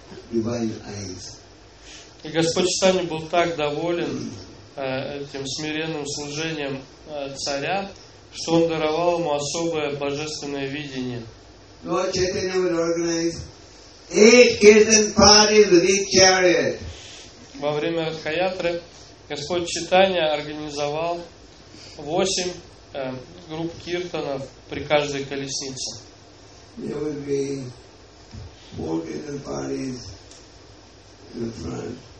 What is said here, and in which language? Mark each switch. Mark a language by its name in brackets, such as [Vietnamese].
[Russian] И Господь Читания был так доволен этим смиренным служением царя, что он даровал ему особое божественное видение. [English] Lord Chaitanya would organize 8 kirtan parties with each chariot. [Russian] Во время Ратха-ятры Господь Читания организовал 8 групп киртанов при каждой колеснице. [English] There would be 4 kirtan parties in front.